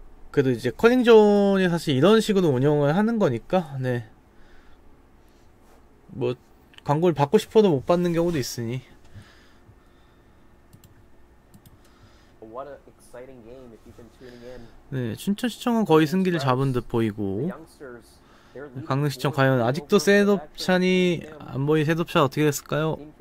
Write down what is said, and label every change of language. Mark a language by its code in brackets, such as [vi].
[ko] 그래도 이제 컬링존이 사실 이런 식으로 운영을 하는 거니까 네 뭐 광고를 받고 싶어도 못 받는 경우도 있으니. [en] What an exciting game if you've been tuning in. [ko] 네, 춘천시청은 거의 승기를 잡은 듯 보이고 강릉시청 과연 아직도 셋업샷이 안 보인 셋업샷 어떻게 됐을까요?